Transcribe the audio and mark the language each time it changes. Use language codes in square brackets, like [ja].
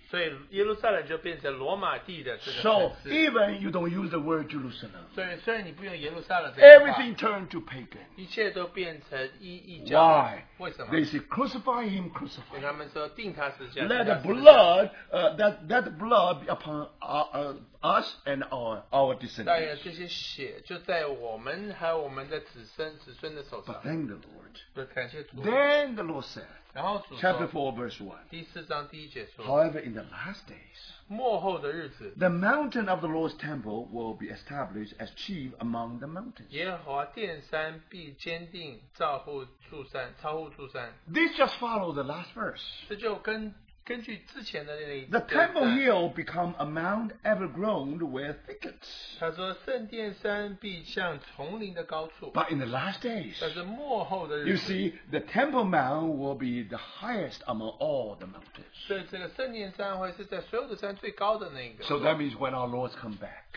[en] So even you don't use the word Jerusalem, [zh] 虽然你不用耶路撒冷这个话, [en] everything turned to pagan. [zh] 一切都变成异教, [en] why? [zh] 为什么? [en] They say crucify him, crucify him. [zh] 所以他们说定他十字架, [en] let the blood that blood be upon us and our descendants. [zh] 这些血就在我们还有我们的子孙的手上, [en] but thank the Lord. [zh] 对, [en] then the Lord said, [zh] 然后主说, [en] chapter 4, verse 1. [zh] 第四章第一节说, [en] however, in the last days, [zh] 末后的日子, [en] the mountain of the Lord's temple will be established as chief among the mountains. [zh] 耶和华殿山必坚定, 造户住山, 超户住山. [en] This just follows the last verse. [zh] 这就跟, 根据之前的那一节, [en] the temple hill become a mound evergrown with thickets. [zh] 他说圣殿山必像丛林的高处, [en] but in the last days, [zh] 但是末后的日子, [en] you see, the temple mount will be the highest among all the mountains. So that means when our Lord comes back,